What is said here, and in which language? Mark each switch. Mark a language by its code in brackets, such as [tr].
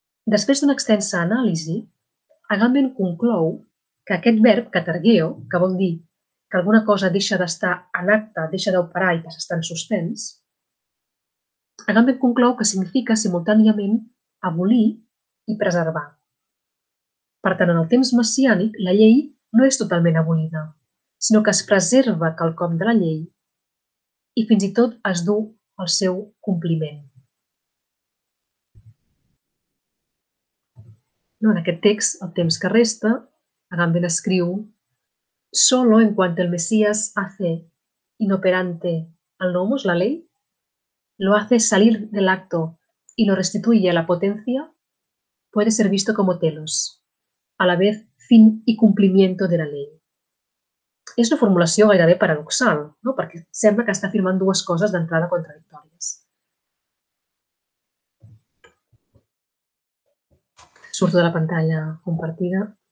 [ca] Després d'una extensa anàlisi, Agamben conclou que aquest verb catargueo, que vol dir que alguna cosa deixa d'estar en acte, deixa d'operar i que s'està en suspens, Agamben conclou que significa simultàniament abolir i preservar. Per tant, en el temps messiànic, la llei no és totalment abolida, sinó que es preserva quelcom de la llei i fins i tot es du al seu compliment. No, en aquest text, el temps que resta, Agamben escriu [es] solo en cuanto el Mesías hace inoperante el nomos, la ley, lo hace salir del acto y lo restituye a la potencia, puede ser visto como telos, a la vez fin y cumplimiento de la ley. [ca] És una formulació gairebé paradoxal, no? Perquè sembla que està afirmant dues coses d'entrada contradictòries. Surto de la pantalla compartida.